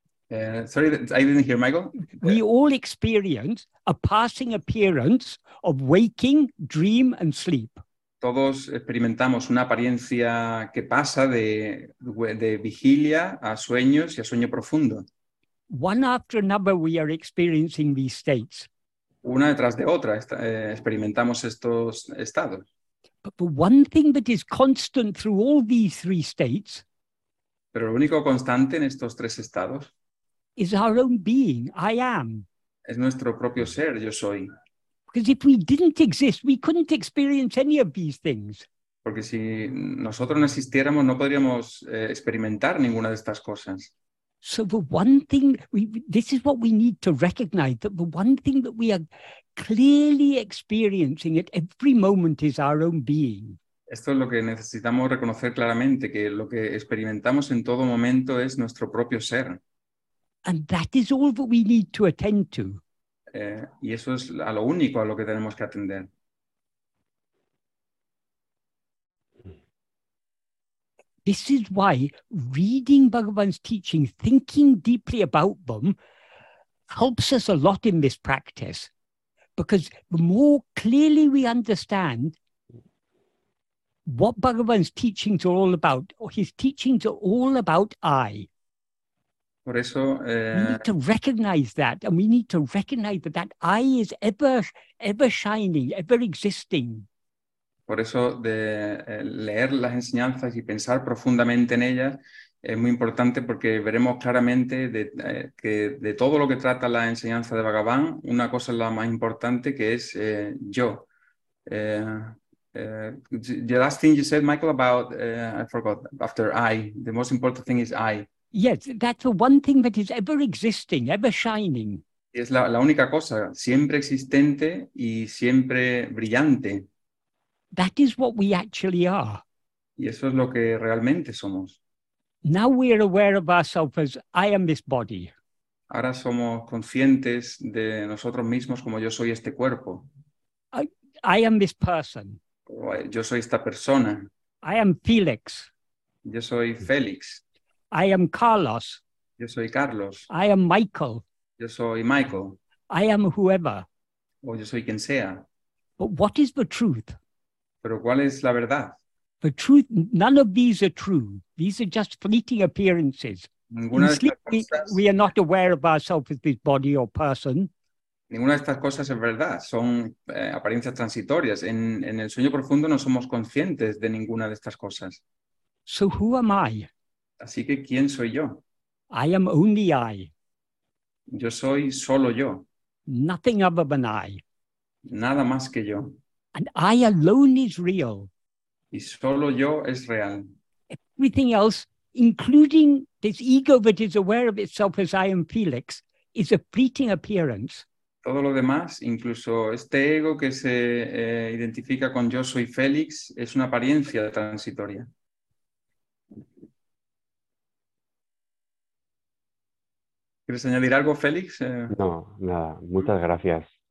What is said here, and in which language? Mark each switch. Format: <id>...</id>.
<en>Sorry, I didn't hear, Michael. We all experience a passing appearance of waking, dream and sleep.</en> <es>Todos experimentamos una apariencia que pasa de vigilia a sueños y a sueño profundo.</es> <en>One after another, we are experiencing these states.</en> <es>Una detrás de otra experimentamos estos estados.</es> <en>But the one thing that is constant through all these three states.</en> <es>Pero lo único constante en estos tres estados.</es> <en>Is our own being, I am.</en> <es>Es nuestro propio ser, yo soy.</es> <en>Because if we didn't exist, we couldn't experience any of these things.</en> <es>Porque si nosotros no existiéramos, no podríamos experimentar ninguna de estas cosas.</es> <en>So the one thing, this is what we need to recognize, that the one thing that we are clearly experiencing at every moment is our own being.</en> <es>Esto es lo que necesitamos reconocer claramente, que lo que experimentamos en todo momento es nuestro propio ser.</es> <en>And that is all that we need to attend to.</en> <es>Y eso es a lo único a lo que tenemos que atender.</es> <en>This is why reading Bhagavan's teaching, thinking deeply about them, helps us a lot in this practice. Because the more clearly we understand what Bhagavan's teachings are all about, or his teachings are all about I.</en> <es>Por eso,</es> <en>we need to recognize that, and we need to recognize that I is ever shining, ever existing.</en> <es>Por eso, de leer las enseñanzas y pensar profundamente en ellas es muy importante, porque veremos claramente que de todo lo que trata la enseñanza de Bhagavan, una cosa es la más importante, que es yo.</es> <en>The last thing you said, Michael, about I forgot. After I, the most important thing is I. Yes, that's the one thing that is ever existing, ever shining.</en> <es>Es la única cosa, siempre existente y siempre brillante.</es> <en>That is what we actually are.</en> <es>Y eso es lo que realmente somos.</es> <en>Now we are aware of ourselves as I am this body.</en> <es>Ahora somos conscientes de nosotros mismos como yo soy este cuerpo.</es> <en>I am this person.</en> <es>Yo soy esta persona.</es> <en>I am Felix.</en> <es>Yo soy Félix.</es> <en>I am Carlos.</en> <es>Yo soy Carlos.</es> <en>I am Michael.</en> <es>Yo soy Michael.</es> <en>I am whoever.</en> <es>O yo soy quien sea.</es> <en>But what is the truth?</en> <es>Pero ¿cuál es la verdad?</es> <en>The truth, none of these are true. These are just fleeting appearances.</en> <es>Ninguna de estas cosas,</es> <en>we are not aware of ourselves as this body or person.</en> <es>Ninguna de estas cosas es verdad. Son apariencias transitorias. En el sueño profundo no somos conscientes de ninguna de estas cosas.</es> <en>So who am I?</en> <es>Así que, ¿quién soy yo?</es> <en>I am only I.</en> <es>Yo soy solo yo.</es> <en>Nothing other than I.</en> <es>Nada más que yo.</es> <en>And I alone is real.</en> <es>Y solo yo es real.</es> <en>Everything else, including this ego that is aware of itself as I am Felix, is a fleeting appearance.</en> <es>Todo lo demás, incluso este ego que se identifica con yo soy Felix, es una apariencia transitoria. ¿Quieres añadir algo, Félix? No, nada. Muchas gracias.</es>